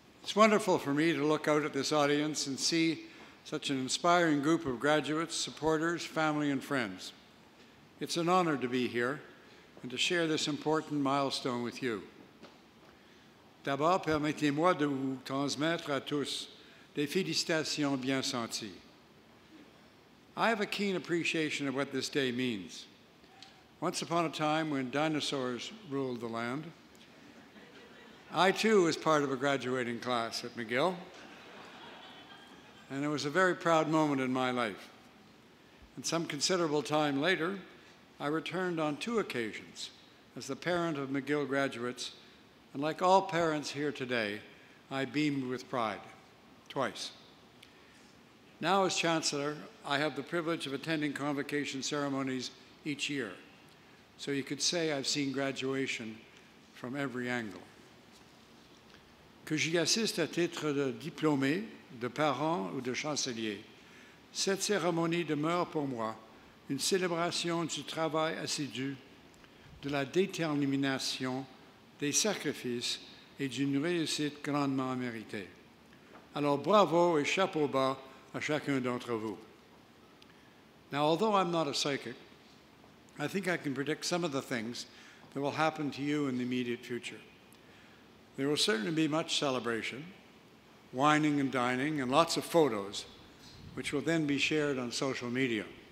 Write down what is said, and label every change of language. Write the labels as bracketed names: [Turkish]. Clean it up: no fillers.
[English] It's wonderful for me to look out at this audience and see such an inspiring group of graduates, supporters, family, and friends. It's an honor to be here and to share this important milestone with you. [French] D'abord, permettez-moi de vous transmettre à tous des félicitations bien senties. [English] I have a keen appreciation of what this day means. Once upon a time when dinosaurs ruled the land, I too was part of a graduating class at McGill, and it was a very proud moment in my life. And some considerable time later, I returned on two occasions as the parent of McGill graduates, and like all parents here today, I beamed with pride, twice. Now as chancellor, I have the privilege of attending convocation ceremonies each year. So you could say I've seen graduation from every angle. [French] Que j'y assiste à titre de diplômé, de parent ou de chancelier, cette cérémonie demeure pour moi une célébration du travail assidu, de la détermination, des sacrifices et d'une réussite grandement méritée. Alors bravo et chapeau bas à chacun d'entre vous. [English] Now, although I'm not a psychic, I think I can predict some of the things that will happen to you in the immediate future. There will certainly be much celebration, wining and dining, and lots of photos, which will then be shared on social media.